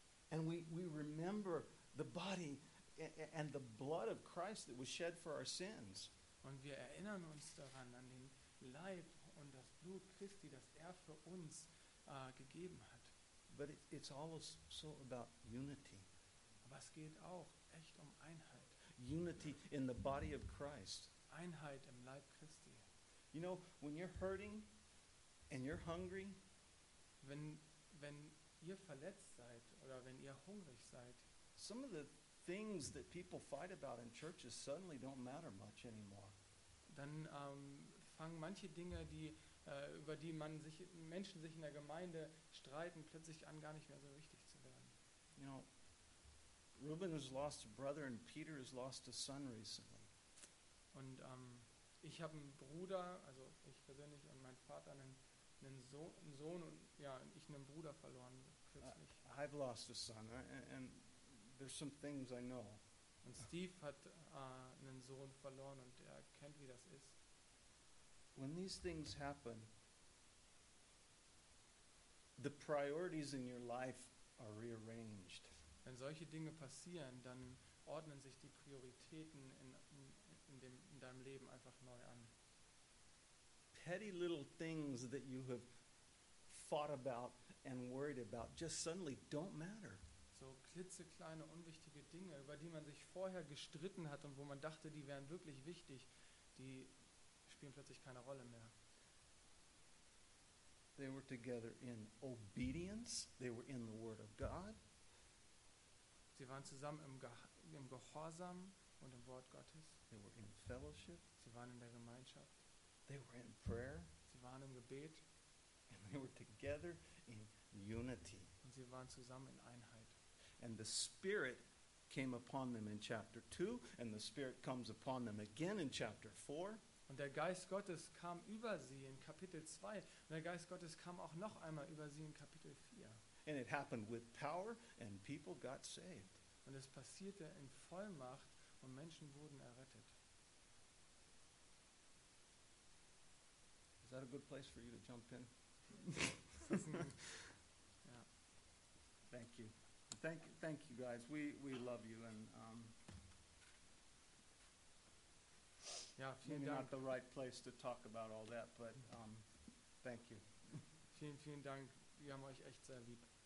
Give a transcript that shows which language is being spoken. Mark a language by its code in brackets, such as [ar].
[en] And we remember the body and the blood of Christ that was shed for our sins. [de] Und wir erinnern uns daran, an den Leib und das Blut Christi, das er für uns gegeben hat. [en] But it's always so about unity. [de] Aber es geht auch echt um Einheit. [en] Unity in the body of Christ. [de] Einheit im Leib Christi. [en] You know, when you're hurting and you're hungry, [de] wenn ihr verletzt seid oder wenn ihr hungrig seid, [en] some of the things that people fight about in churches suddenly don't matter much anymore. [de] Dann fangen manche Dinge, die über die man sich Menschen sich in der Gemeinde streiten, plötzlich an, gar nicht mehr so wichtig zu werden. [en] You know, Reuben has lost a brother and Peter has lost a son recently. [de] Und ich habe einen Bruder, also ich persönlich und mein Vater einen Sohn und ja, ich einen Bruder verloren kürzlich. [en] I've lost a son and there's some things I know. [de] Und Steve hat einen Sohn verloren und er kennt, wie das ist. [en] When these things happen, the priorities in your life are rearranged. [de] Wenn solche Dinge passieren, dann ordnen sich die Prioritäten in deinem Leben einfach neu an. [en] Petty little things that you have fought about and worried about just suddenly don't matter. [de] So klitzekleine, unwichtige Dinge, über die man sich vorher gestritten hat und wo man dachte, die wären wirklich wichtig, die spielen plötzlich keine Rolle mehr. [en] They were together in obedience. They were in the word of God. [de] Sie waren zusammen im Gehorsam und im Wort Gottes. [en] They were in fellowship. [de] Sie waren in der Gemeinschaft. [en] They were in prayer. [de] Sie waren im Gebet. [en] And they were together in unity. [de] Und sie waren zusammen in Einheit. [en] And the Spirit came upon them in chapter 2, and the Spirit comes upon them again in chapter 4. [de] Und der Geist Gottes kam über sie in Kapitel 2, und der Geist Gottes kam auch noch einmal über sie in Kapitel 4. [en] And it happened with power, and people got saved. [de] Und es passierte in Vollmacht, und Menschen wurden errettet. [en] Is that a good place for you to jump in? Yeah. Thank you. Thank you guys. We love you and [de] ja, vielen [en] maybe [de] Dank. [en] Not the right place to talk about all that, but thank you. [de] Vielen, vielen Dank. Wir haben euch echt sehr lieb.